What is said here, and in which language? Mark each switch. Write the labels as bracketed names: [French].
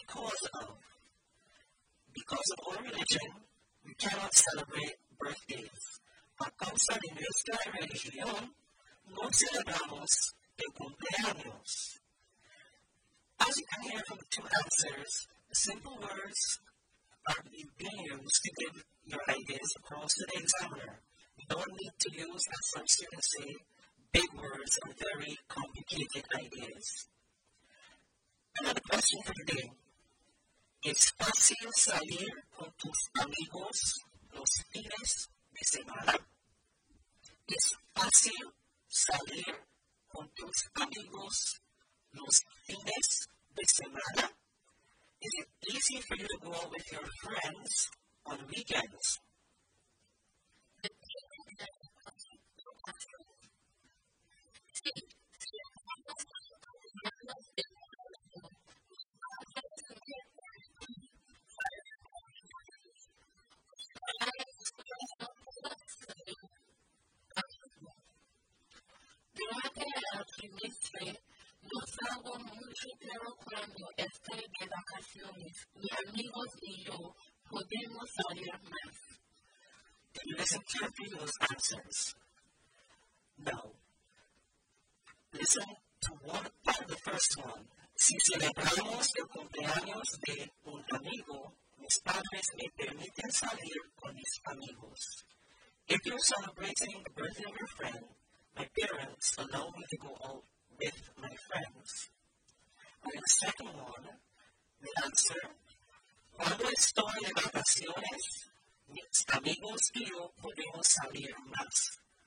[English] because of our religion, we cannot celebrate birthdays. [Spanish] A causa de nuestra religión, no celebramos el cumpleaños. [English] As you can hear from the two answers, simple words are being used to get your ideas across to the examiner. You don't need to use, as some students say, big words or very complicated ideas. Another question for today. [Spanish] ¿Es fácil salir con tus amigos los fines de semana? ¿Es fácil salir con tus amigos los fines de semana? [English] Is it easy for you to go out with your friends on weekends? [Spanish] Durante el trimestre, yo salgo mucho, pero cuando estoy de vacaciones, mis amigos y yo podemos salir más. [English] Listen carefully to those answers. Now, listen to one part of the first one. [Spanish] Si celebramos el cumpleaños de un amigo, mis padres me permiten salir con mis amigos. [English] If you're celebrating the birthday of your friend, my parents allow me to go out with my friends. And the second one, the answer, [Spanish] cuando estoy de vacaciones, mis amigos y yo podemos salir más.